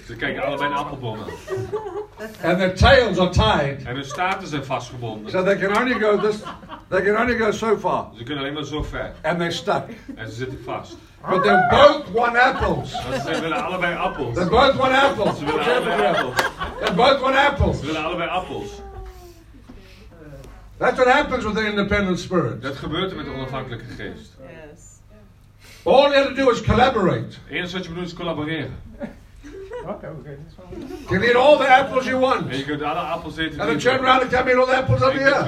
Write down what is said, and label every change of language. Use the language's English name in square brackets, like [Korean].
[Dutch] Ze kijken allebei naar appelbomen. [English] And their tails are tied. [Dutch] En hun staarten zijn vastgebonden. [English] So they can only go they can only go so far. [Dutch] Ze kunnen alleen maar zo ver. [English] And they're stuck. [Dutch] En ze zitten vast. [English] But they both want apples. [Dutch] Ze willen allebei appels. [English] They both want apples. [Dutch] Ze willen allebei appels. [English] They both want apples. [Dutch] Ze willen allebei appels. [English] That's what happens with the independent spirit. [Dutch] Dat gebeurt er met de onafhankelijke geest. [English] Yes. All you have to do is collaborate. [Dutch] Eens wat je moet doen is collaboreren. [English] You can eat all the apples you want. [Dutch] En je kunt alle appels eten. [English] And then turn around and tell me all the apples up here.